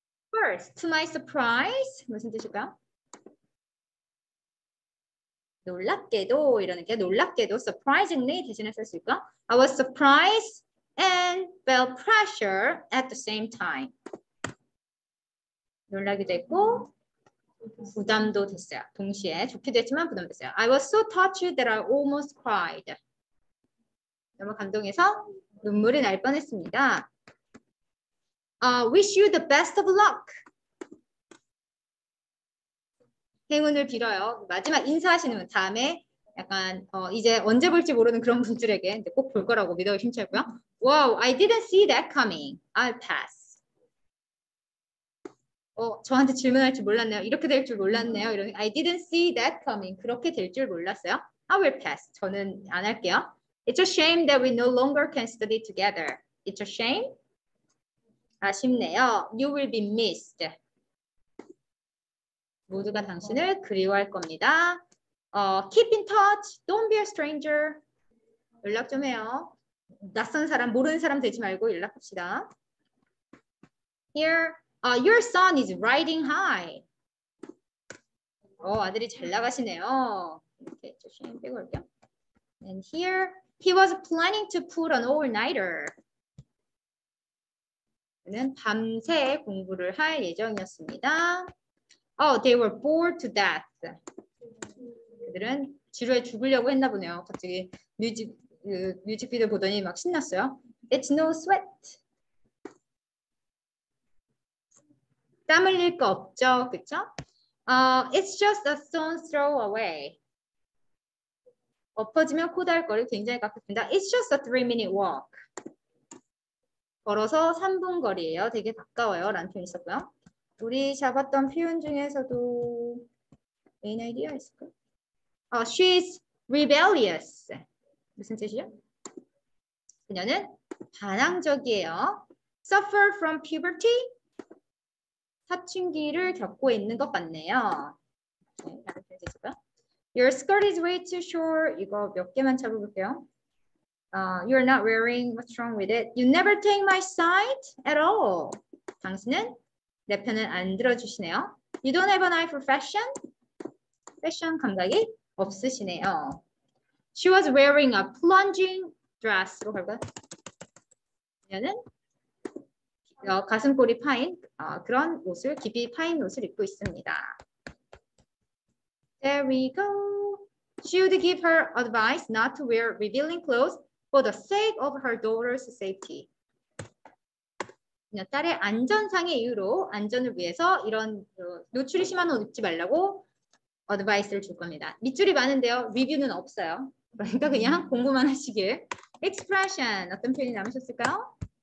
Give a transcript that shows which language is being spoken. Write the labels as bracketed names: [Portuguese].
[English] first, to my surprise, [Korean] 무슨 뜻일까요? 놀랍게도 이러는 게 놀랍게도 [English] surprisingly [Korean] 대신에 쓸 수 있고 [English] I was surprised and felt pressure at the same time. [Korean] 놀라게 됐고 부담도 됐어요. 동시에 좋기도 했지만 부담도 됐어요. [English] I was so touched that I almost cried. [Korean] 너무 감동해서 눈물이 날 뻔했습니다. [English] Wish you the best of luck. [Korean] 행운을 빌어요. 마지막 인사하시는 분, 다음에 약간 이제 언제 볼지 모르는 그런 분들에게 꼭 볼 거라고 믿어 힘차고요. [English] Wow, I didn't see that coming. I'll pass. [Korean] 저한테 질문할 줄 몰랐네요. 이렇게 될 줄 몰랐네요. 이런 [English] I didn't see that coming. [Korean] 그렇게 될 줄 몰랐어요. [English] I will pass. [Korean] 저는 안 할게요. [English] It's a shame that we no longer can study together. It's a shame. [Korean] 아쉽네요. [English] You will be missed. [Korean] 모두가 당신을 그리워할 겁니다. [English] Keep in touch. Don't be a stranger. [Korean] 연락 좀 해요. 낯선 사람, 모르는 사람 되지 말고 연락합시다. [English] Here, your son is riding high. [Korean] 아들이 잘 나가시네요. 이렇게 조심히 빼고 올게요. [English] And here, he was planning to pull an all-nighter. [Korean] 그는 밤새 공부를 할 예정이었습니다. [English] Oh, they were bored to death. [Korean] 그들은 지루해 죽으려고 했나 보네요. 갑자기 뮤직비디오 보더니 막 신났어요. [English] It's no sweat. [Korean] 땀 흘릴 거 없죠, 그렇죠? [English] It's just a stone's throw away. [Korean] 엎어지면 코다할 거리 굉장히 가깝습니다. [English] It's just a 3-minute walk. [Korean] 걸어서 3분 거리예요. 되게 가까워요. 라는 표현이 있었고요. 우리 잡았던 표현 중에서도 메인 아이디어 있을까? [English] She's rebellious. [Korean] 무슨 뜻이죠? 그녀는 반항적이에요. [English] Suffer from puberty? [Korean] 사춘기를 겪고 있는 것 같네요. 네, [English] Your skirt is way too short. [Korean] 이거 몇 개만 잡아볼게요. [English] You're not wearing. What's wrong with it? You never take my side at all. [Korean] 당신은 내 편을 안 들어주시네요. [English] You don't have an eye for fashion? [Korean] 패션 감각이 없으시네요. [English] She was wearing a plunging dress. [Korean] 이거 갈까요? 얘는 가슴골이 파인 그런 옷을, 깊이 파인 옷을 입고 있습니다. [English] There we go. She would give her advice not to wear revealing clothes for the sake of her daughter's safety. [Korean] 딸의 안전상의 이유로 안전을 위해서 이런 노출이 심한 옷 입지 말라고 어드바이스를 줄 겁니다. 밑줄이 많은데요. 리뷰는 없어요. 그러니까 그냥 공부만 하시길. [English] Expression. [Korean] 어떤 표현이 남으셨을까요?